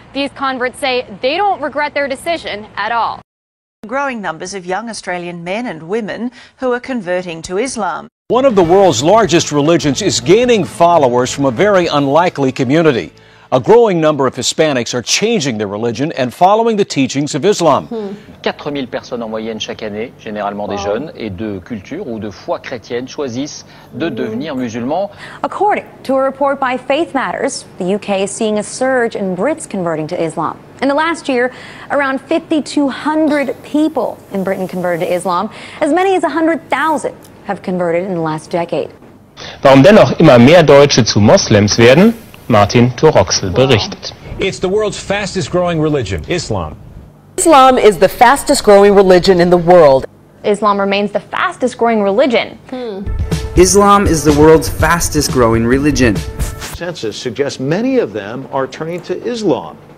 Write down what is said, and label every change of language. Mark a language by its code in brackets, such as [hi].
[en] These converts say they don't regret their decision at all. Growing numbers of young Australian men and women who are converting to Islam. One of the world's largest religions is gaining followers from a very unlikely community. A growing number of Hispanics are changing their religion and following the teachings of Islam. [fr] 4000 personnes en moyenne chaque année, généralement des jeunes et de culture ou de foi chrétienne, choisissent de devenir musulmans. [en] According to a report by Faith Matters, the UK is seeing a surge in Brits converting to Islam. In the last year, around 5200 people in Britain converted to Islam, as many as 100,000 have converted in the last decade. [de] Warum dennoch immer mehr Deutsche zu Moslems werden? Martin Turoxel berichtet. [en] It's the world's fastest growing religion, Islam. Islam is the fastest growing religion in the world. Islam remains the fastest growing religion. Islam is the world's fastest growing religion. Census suggests many of them are turning to Islam.